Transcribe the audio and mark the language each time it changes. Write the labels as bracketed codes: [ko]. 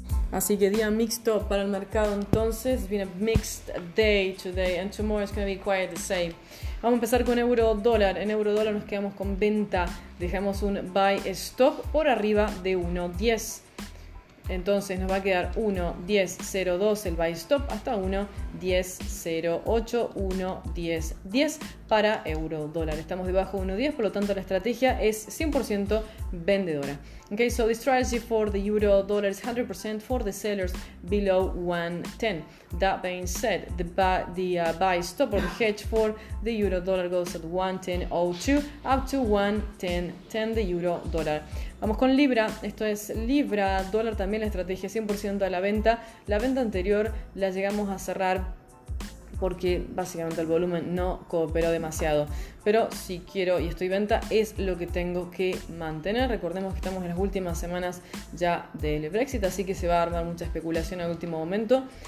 [es] Así que día mixto para el mercado entonces. [en] It's been a mixed day today and tomorrow is going to be quite the same. [es] Vamos a empezar con euro dólar. En euro dólar nos quedamos con venta. Dejamos un buy stop por arriba de 1.10. Entonces nos va a quedar 1.10.02 el buy stop hasta 1.10.08, 1.10.10 para euro dólar. Estamos debajo de 1.10, por lo tanto la estrategia es 100% vendedora. [en] Okay, so the strategy for the euro dollar is 100% for the sellers below 1.10. That being said, the buy stop or the hedge for the euro dollar goes at 1.10.02 up to 1.10.10 the euro dollar. [es] Vamos con libra, esto es libra, dólar también, la estrategia 100% a la venta. La venta anterior la llegamos a cerrar porque básicamente el volumen no cooperó demasiado. Pero si quiero y estoy venta, es lo que tengo que mantener. Recordemos que estamos en las últimas semanas ya del Brexit, así que se va a armar mucha especulación al último momento.